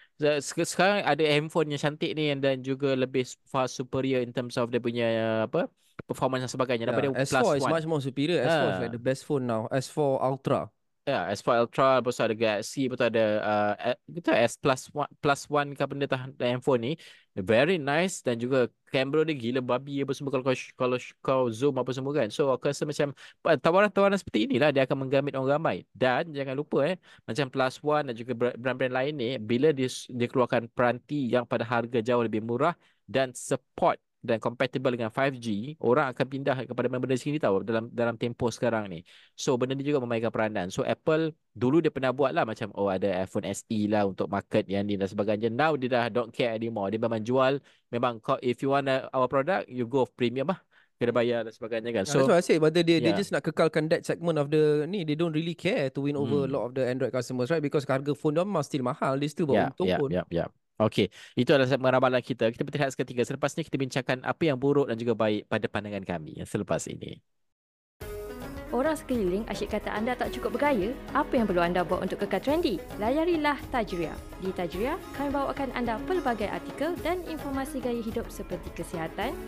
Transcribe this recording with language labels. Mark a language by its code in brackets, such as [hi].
[ms] Sekarang ada handphone yang cantik ni dan juga lebih [en] far superior in terms of [ms] dia punya performance dan sebagainya. [en] Yeah, S4 plus is one. Much more superior. S4 is like the best phone now. S4 Ultra. [ms] Yeah, S4 Ultra, lepas ada Galaxy, lepas ada S plus one ke benda handphone ni. [en] Very nice [ms] dan juga kamera dia gila babi apa semua kalau zoom apa semua kan. So aku rasa macam tawaran-tawaran seperti inilah dia akan menggamit orang ramai. Dan jangan lupa macam Plus One dan juga brand-brand lain ni, bila dia keluarkan peranti yang pada harga jauh lebih murah dan support dan compatible dengan 5G, orang akan pindah kepada benda sini tahu dalam tempoh sekarang ni. So benda ni juga memainkan peranan. So Apple dulu dia pernah buat lah macam ada iPhone SE lah untuk market yang ni dan sebagainya. [en] Now [ms] dia dah [en] don't care anymore. [ms] Dia memang jual, memang [en] if you want our product, you go premium [ms] lah, kena bayar dan sebagainya kan. So [en] that's what I say, but they just [ms] nak kekalkan [en] that segment of the ni. They don't really care to win over a lot of the Android customers, right? Because [ms] harga phone dia memang still mahal. [en] They still [ms] buat untung pun. Okey, itu adalah ramalan kita. Kita berehat seketika. Selepas ini kita bincangkan apa yang buruk dan juga baik pada pandangan kami yang selepas ini. Orang sekeliling asyik kata anda tak cukup bergaya. Apa yang perlu anda buat untuk kekal trendy? Layarilah Tajria. Di Tajria, kami bawakan anda pelbagai artikel dan informasi gaya hidup seperti kesihatan.